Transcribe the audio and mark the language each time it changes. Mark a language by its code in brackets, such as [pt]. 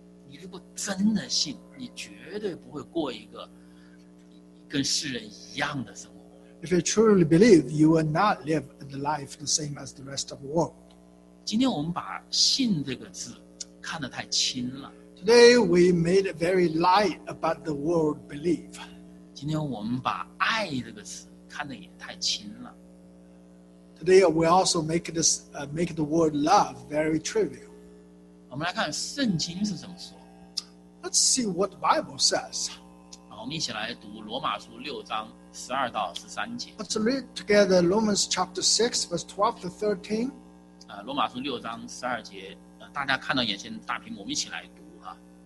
[zh] 你如果真的信，你绝对不会过一个跟世人一样的生活。 [en] If you truly believe, you will not live the life the same as the rest of the world. [zh] 今天我们把信这个字看得太轻了。 [en] Today we made it very light about the word believe. [zh] 今天我们把爱这个词看得也太轻了。 [en] Today we also make this, make the word love very trivial. [zh] 我们来看圣经是怎么说。 [en] Let's see what the Bible says. [zh] 我们一起来读罗马书六章十二到十三节。 [en] Let's read together Romans chapter 6, verse 12 to 13. [zh] 罗马书六章十二节，大家看到眼前大屏幕，我们一起来读哈。